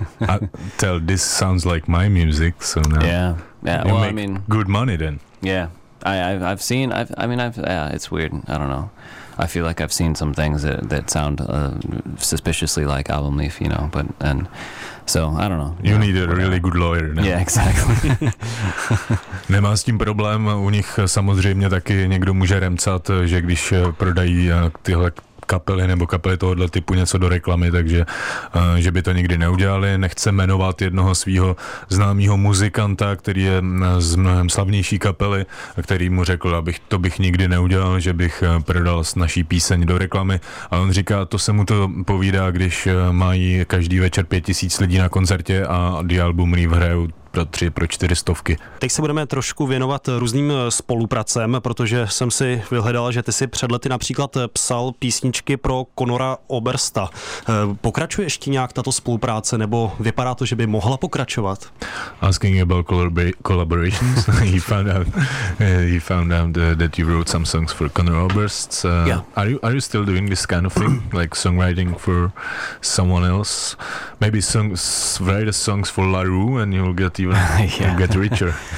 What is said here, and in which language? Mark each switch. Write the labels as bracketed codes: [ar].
[en] I tell, this sounds like my music, so now. Yeah. Yeah. You, well, make, I mean, good money then. Yeah. I've seen, it's weird, I don't know. I feel like I've seen some things that sound suspiciously like Album Leaf, you know, but, and so, I don't know. You need a really good lawyer. No? Yeah, exactly. [cs] Nemá s tím problém, u nich samozřejmě taky někdo může remcat, že když prodají tyhle kapely nebo kapely tohoto typu něco do reklamy, takže že by to nikdy neudělali. Nechce jmenovat jednoho svého známého muzikanta, který je z mnohem slavnější kapely, který mu řekl, to bych nikdy neudělal, že bych prodal naší píseň do reklamy. A on říká, to se mu to povídá, když mají každý večer 5000 lidí na koncertě a The Album Leave hrajou pro 400. Teď se budeme trošku věnovat různým spolupracem, protože jsem si vyhledal, že ty si před lety například psal písničky pro Conora Obersta. Pokračuje ještě nějak tato spolupráce, nebo vypadá to, že by mohla pokračovat? [en] Asking about collaborations, he found out that you wrote some songs for Conor Oberst. Yeah. Are you still doing this kind of thing, like songwriting for someone else? Maybe write songs for LaRue and you'll get get richer.